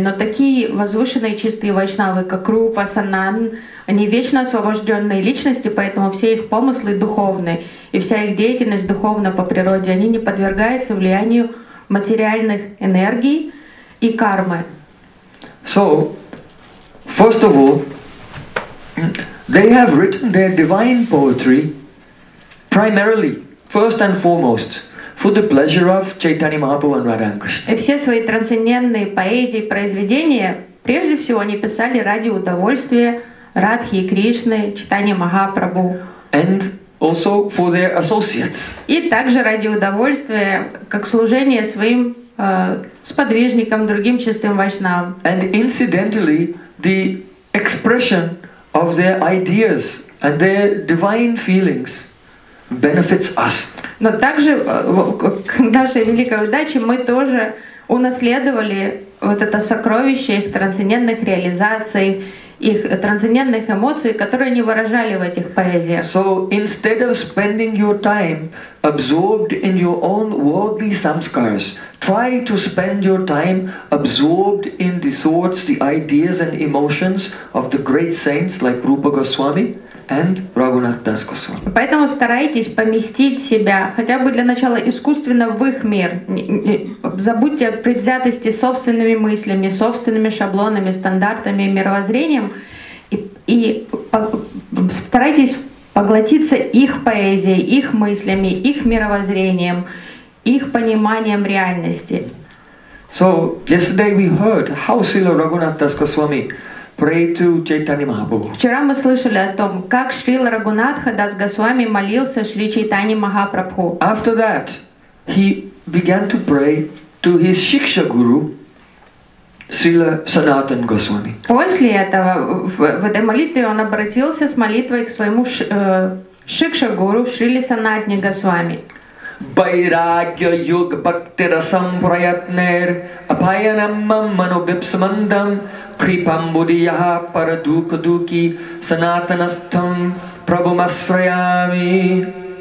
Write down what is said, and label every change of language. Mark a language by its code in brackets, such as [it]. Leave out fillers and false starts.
[ru] Но такие возвышенные чистые вайшнавы, как Рупа, Санан, они вечно освобожденные личности, поэтому все их помыслы духовны, и вся их деятельность духовна по природе, они не подвергаются влиянию материальных энергий и кармы. [en] So, first of all, they have written their divine poetry primarily, first and foremost, for the pleasure of Chaitanya Mahaprabhu and Radha and Krishna. [ru] И все свои трансцендентные поэзии, произведения, прежде всего они писали ради удовольствия Радхи и Кришны, Чайтаньи Махапрабху. [en] And also for their associates. [ru] И также ради удовольствия, как служение своим сподвижникам, другим чистым вайшнавам. [en] And incidentally, the expression of their ideas and their divine feelings benefits us. [ru] Но также к нашей великой удаче мы тоже унаследовали вот это сокровище их трансцендентных реализаций, их трансцендентных эмоций, которые они выражали в этих поэзиях. [en] So instead of spending your time absorbed in your own worldly samskaras, try to spend your time absorbed in the thoughts, the ideas and emotions of the great saints like Rupa Goswami and Raghunath Das Goswami. [ru] Поэтому старайтесь поместить себя хотя бы для начала искусственно в их мир. Забудьте о предвзятости собственными мыслями, собственными шаблонами, стандартами, мировоззрением и старайтесь поглотиться их поэзией, их мыслями, их мировоззрением, их пониманием реальности. [en] So yesterday we heard how Srila Raghunath Das Goswami prayed to Chaitanya Mahaprabhu. [ru] Вчера мы слышали о том, как Шрила Рагунатха Дас Госвами молился Шри Чайтанья Махапрабху. [en] After that, he began to pray to his Shiksha Guru, [ru] Шрила Санатан Госвами. После этого в этой молитве он обратился с молитвой к своему Шикшагуру Шриле Санатне Госвами. [sa] Байрагья йога бхактирасам праятнер абхаянаммам манобипсамандам крипам будияха парадукадуки санатанастам прабхумасраями.